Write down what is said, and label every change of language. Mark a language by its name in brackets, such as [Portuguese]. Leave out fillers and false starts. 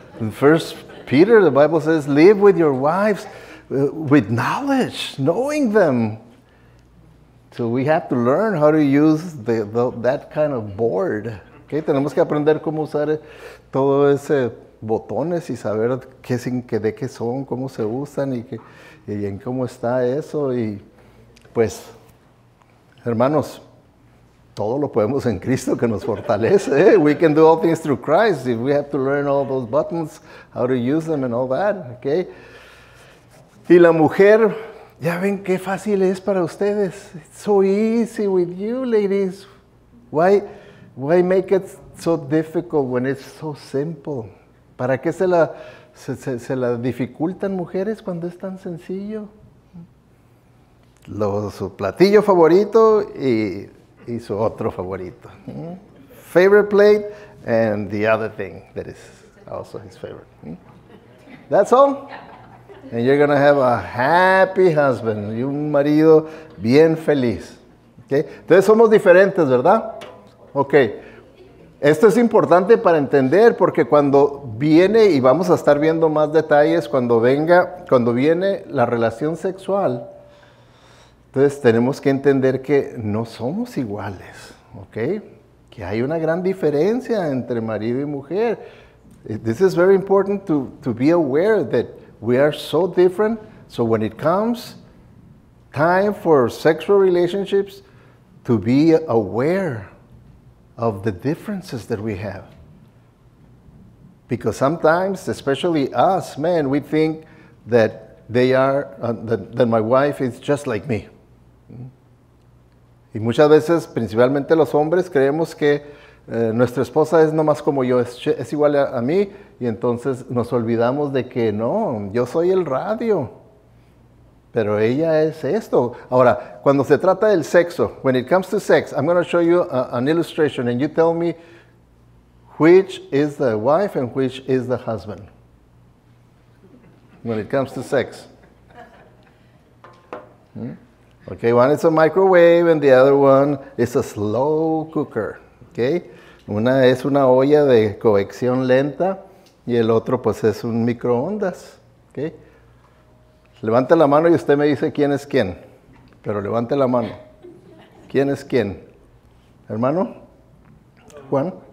[English] First Peter, the Bible says, live with your wives with knowledge, knowing them. So we have to learn how to use that kind of board. [Spanish] Okay, tenemos que aprender cómo usar todo ese botones y saber de qué son, cómo se usan y en cómo está eso. Y pues, hermanos, todo lo podemos en Cristo que nos fortalece. [English] We can do all things through Christ if we have to learn all those buttons, how to use them and all that. Okay. [Spanish] Y la mujer, ya ven qué fácil es para ustedes. [English] It's so easy with you, ladies. Why make it so difficult when it's so simple? [Spanish] ¿Para qué se la dificultan mujeres cuando es tan sencillo? Su platillo favorito y su otro favorito. [English] Favorite plate and the other thing that is also his favorite. That's all. And you're going to have a happy husband. [Spanish] Y un marido bien feliz. Okay. Entonces somos diferentes, ¿verdad? Okay. Esto es importante para entender, porque cuando viene, y vamos a estar viendo más detalles, cuando viene la relación sexual, entonces tenemos que entender que no somos iguales, ¿ok? Que hay una gran diferencia entre marido y mujer. [English] This is very important to be aware that we are so different, so when it comes time for sexual relationships, to be aware of the differences that we have. Because sometimes, especially us men, we think that that my wife is just like me. [Spanish] Y muchas veces, principalmente los hombres, creemos que nuestra esposa es nomás como yo, es igual a mí, y entonces nos olvidamos de que no, yo soy el radio, pero ella es esto. Ahora, cuando se trata del sexo, [English] when it comes to sex, I'm going to show you an illustration and you tell me which is the wife and which is the husband. When it comes to sex. Okay, one is a microwave and the other one is a slow cooker. [Spanish] Okay, una es una olla de cocción lenta y el otro pues es un microondas. Okay, levante la mano y usted me dice quién es quién. Pero levante la mano. ¿Quién es quién? ¿Hermano? ¿Juan?